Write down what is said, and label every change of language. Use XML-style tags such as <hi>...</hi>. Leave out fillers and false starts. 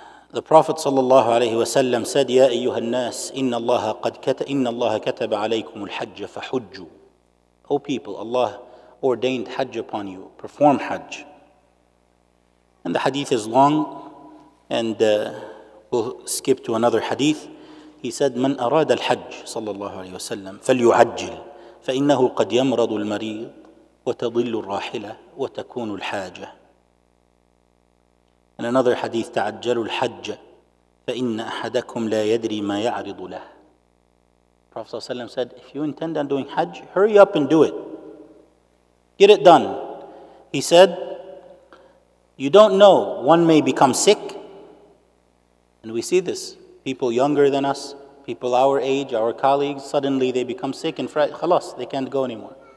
<en>The Prophet</en> <ar>sallallahu alayhi wa sallam</ar> <en>said,</en> <ar>Ya ayyuha al-nas, inna Allah kataba alaykum al-hajj fahujju.</ar> <en>O people, Allah ordained Hajj upon you. Perform Hajj. And the hadith is long, and we'll skip to another hadith. He said,</en> <ar>من أراد الحج صلى الله عليه وسلم فليعجل فإنه قد يمرض المريض وتضل الراحلة وتكون الحاجة.</ar> <en>And another hadith,</en> <ar>تعجل الحج فإن أحدكم لا يدري ما يعرض له.</ar> <en>Prophet</en> <ar>صلى الله عليه وسلم</ar> <en>said, if you intend on doing Hajj, hurry up and do it. Get it done. He said, you don't know, one may become sick. And we see this. People younger than us, people our age, our colleagues, suddenly they become sick and خلاص, they can't go anymore.</en>